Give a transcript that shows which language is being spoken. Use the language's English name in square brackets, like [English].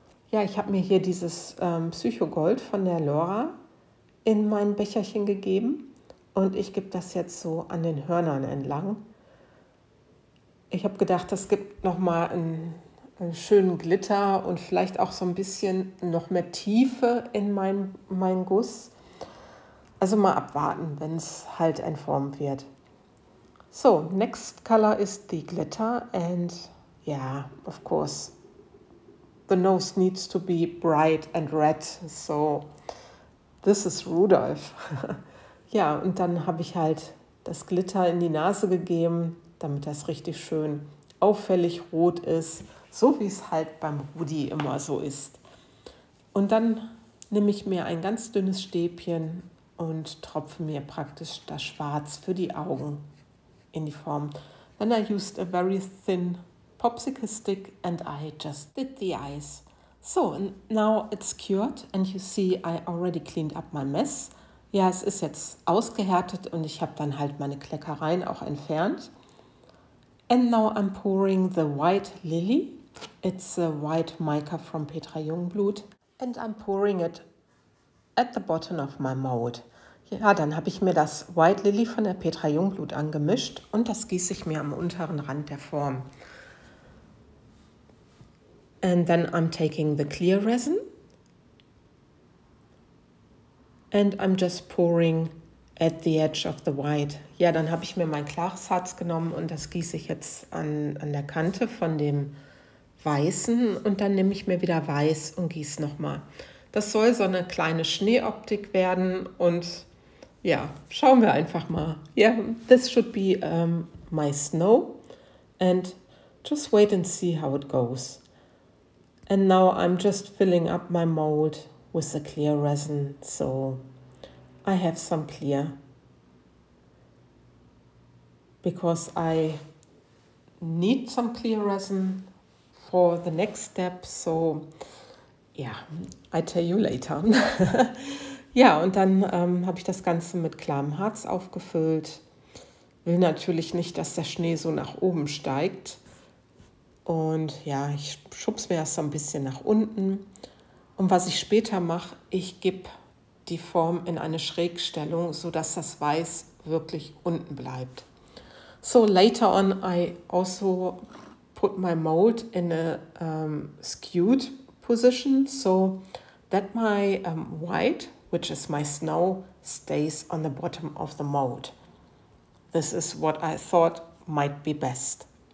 [German] Ja, ich habe mir hier dieses Psycho Gold von der Laura in mein Becherchen gegeben. Und ich gebe das jetzt so an den Hörnern entlang. Ich habe gedacht, das gibt nochmal einen schönen Glitter und vielleicht auch so ein bisschen noch mehr Tiefe in mein Guss. Also mal abwarten, wenn es halt entformt wird. [English] So, next color is the glitter. And yeah, of course, the nose needs to be bright and red. So, this is Rudolph. [German] Ja, und dann habe ich halt das Glitter in die Nase gegeben, damit das richtig schön auffällig rot ist, so wie es halt beim Rudi immer so ist. Und dann nehme ich mir ein ganz dünnes Stäbchen und tropfe mir praktisch das Schwarz für die Augen in die Form. [English] Then I used a very thin popsicle stick and I just did the eyes. So, and now it's cured and you see I already cleaned up my mess. [German] Ja, es ist jetzt ausgehärtet und ich habe dann halt meine Kleckereien auch entfernt. [English] And now I'm pouring the White Lily. It's a white mica from Petra Jungblut. And I'm pouring it at the bottom of my mold. [German] Ja, dann habe ich mir das White Lily von der Petra Jungblut angemischt und das gieße ich mir am unteren Rand der Form. [English] And then I'm taking the clear resin. And I'm just pouring at the edge of the white. [German] Ja, dann habe ich mir mein klares Harz genommen und das gieße ich jetzt an der Kante von dem Weißen. Und dann nehme ich mir wieder Weiß und gieße nochmal. Das soll so eine kleine Schneeoptik werden und ja, schauen wir einfach mal. [English] Yeah, this should be my snow and just wait and see how it goes. And now I'm just filling up my mold with the clear resin, so I have some clear. Because I need some clear resin for the next step, so yeah, I tell you later. [German] Ja, und dann habe ich das Ganze mit klarem Harz aufgefüllt. Will natürlich nicht, dass der Schnee so nach oben steigt. Und ja, ich schub's mir erst so ein bisschen nach unten. Und was ich später mache, ich gebe die Form in eine Schrägstellung, sodass das Weiß wirklich unten bleibt. [English] So, later on, I also put my mold in a skewed position, so that my white, which is my snow, stays on the bottom of the mold. This is what I thought might be best.